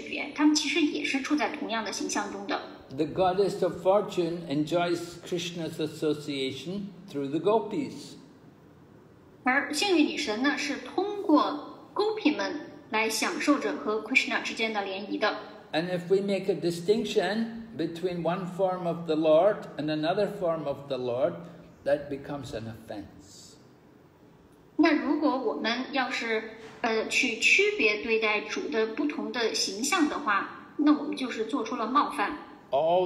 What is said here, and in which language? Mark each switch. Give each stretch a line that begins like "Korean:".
Chinese: 在幸运女神以及Gopi之间呢，也没有任何的区别，她们其实也是处在同样的形象中的。
English: The goddess of fortune enjoys Krishna's association through the gopis.
Chinese: 而幸运女神呢，是通过Gopi们来享受着和Krishna之间的联谊的。
English: And if we make a distinction between one form of the Lord and another form of the Lord, that becomes an offense.
Chinese: 那如果我们要是去区别对待主的不同的形象的话，那我们就是做出了冒犯。
English: All